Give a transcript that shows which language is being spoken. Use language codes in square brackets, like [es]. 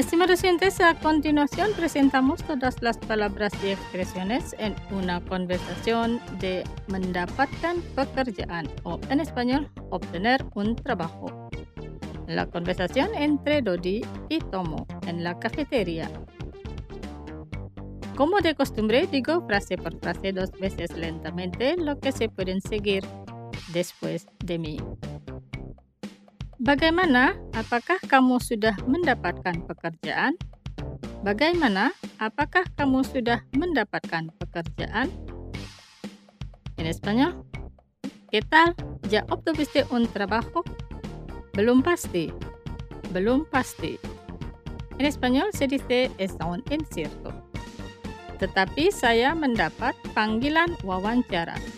[es] Presentes, a continuación presentamos todas las palabras y expresiones en una conversación de [id] mendapatkan pekerjaan [es] o en español obtener un trabajo. La conversación entre Dodi y Tomo en la cafetería. Como de costumbre, digo frase por frase dos veces lentamente lo que se pueden seguir después de mí. [id] Bagaimana? Apakah kamu sudah mendapatkan pekerjaan? Bagaimana? Apakah kamu sudah mendapatkan pekerjaan? [es] En español. ¿Qué tal? ¿Ya obtuviste un trabajo? [id] Belum pasti. Belum pasti. [es] En español se dice es aún incierto. [id] Tetapi saya mendapat panggilan wawancara.